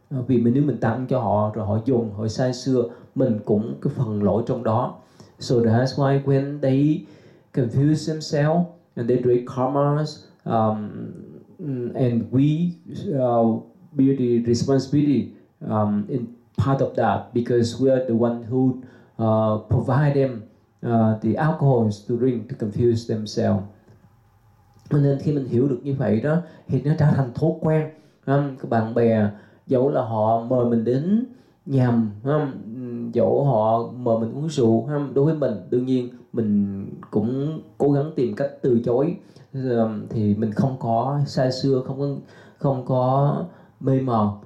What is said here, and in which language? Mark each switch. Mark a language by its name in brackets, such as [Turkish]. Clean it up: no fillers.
[Vietnamese] Vì mình, nếu mình tặng cho họ rồi họ dùng, họ say sưa, mình cũng cái phần lỗi trong đó. [English] So that's why when they confuse themselves and they break karmas, and we bear the responsibility in part of that, because we are the one who provide them the alcohols to drink to confuse themselves. [Vietnamese] Nên khi mình hiểu được như vậy đó, thì nó trở thành thói quen. Các bạn bè, dẫu là họ mời mình đến nhà, dẫu họ mời mình uống rượu, đối với mình, đương nhiên mình cũng cố gắng tìm cách từ chối, thì mình không có say sưa, không có mê mờ.